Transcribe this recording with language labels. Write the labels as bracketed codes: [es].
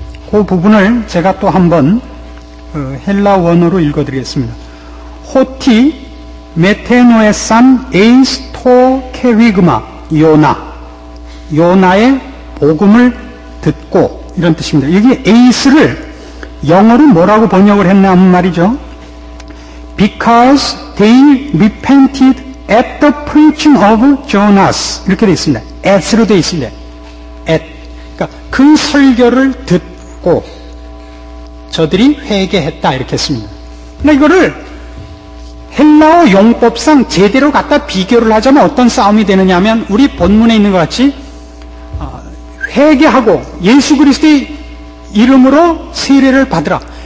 [ko] 그 부분을 제가 또 한번 헬라 원어로 읽어드리겠습니다. [el] 호티 메테노에산 에이스토 케위그마 요나, [ko] 요나의 복음을 듣고, 이런 뜻입니다. 여기 에이스를 영어로 뭐라고 번역을 했나 하는 말이죠. [en] Because they repented at the preaching of Jonas. [ko] 이렇게 되어 있습니다. at로 되어 있습니다. at. 그러니까 그 설교를 듣고 저들이 회개했다. 이렇게 했습니다. 그러니까 이거를 헬라어 용법상 제대로 갖다 비교를 하자면 어떤 싸움이 되느냐 하면 우리 본문에 있는 것 같이 회개하고 예수 그리스도의 이름으로 세례를 받으라.